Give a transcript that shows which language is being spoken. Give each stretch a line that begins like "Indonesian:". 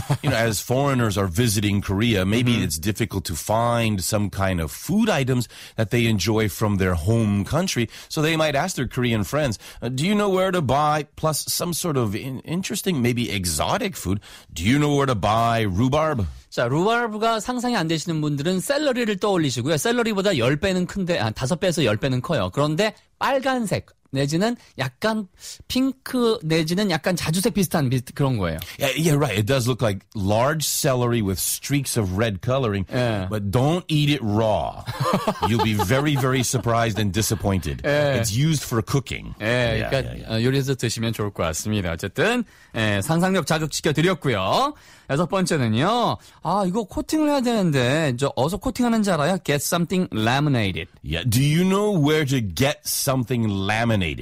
English: You know, as foreigners are visiting Korea, maybe it's difficult to find some kind of food items that they enjoy from their home country. So they might ask their Korean friends, do you know where to buy, plus some sort of interesting, maybe exotic food, do you know where to buy rhubarb?
Korean: 자, 루바르브가 상상이 안 되시는 분들은 샐러리를 떠올리시고요. 샐러리보다 10배는 큰데, 아, 5배에서 10배는 커요. 그런데 빨간색 내지는 약간 핑크 내지는 약간 자주색 비슷한 그런 거예요.
English: Yeah, right. It does look like large celery with streaks of red coloring. Yeah. But don't eat it raw. You'll be very, very surprised and disappointed. Yeah. It's used for cooking. Yeah, yeah,
Korean: 그러니까 요리해서 드시면 좋을 것 같습니다. 어쨌든 상상력 자극시켜 드렸고요. 여섯 번째는요. 아, 이거 코팅을 해야 되는데 저 어디서 코팅하는지 알아요?
English: Get something laminated. Yeah, do you know where to get something laminated?